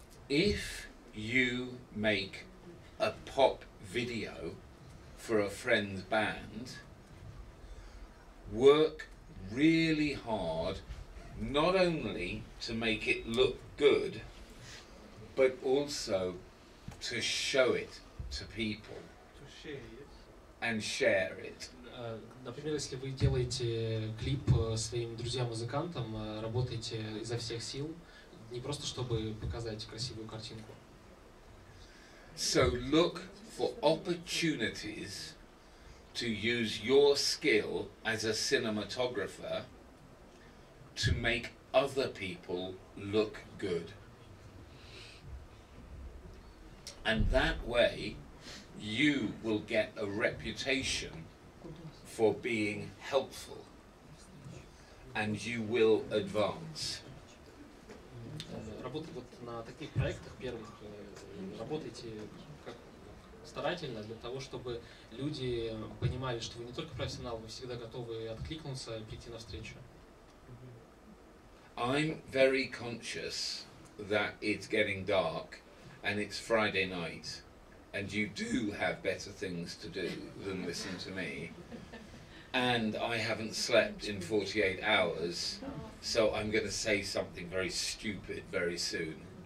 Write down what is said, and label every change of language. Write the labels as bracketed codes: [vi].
[en] If you make a pop video for a friend's band, work really hard, not only to make it look good, but also to show it to people. To share it. And share it. [ru] Например, если вы делаете клип своим друзьям-музыкантам, работаете изо всех сил, не просто чтобы показать красивую картинку. [en] So look for opportunities to use your skill as a cinematographer to make other people look good. And that way, you will get a reputation for being helpful, and you will advance. [ru] работать вот на таких проектах первых, работайте как старательно для того, чтобы люди понимали, что вы не только профессионал, вы всегда готовы откликнуться и прийти навстречу. [en] I'm very conscious that it's getting dark and it's Friday night. And you do have better things to do than listen to me. And I haven't slept in 48 hours, so I'm going to say something very stupid very soon.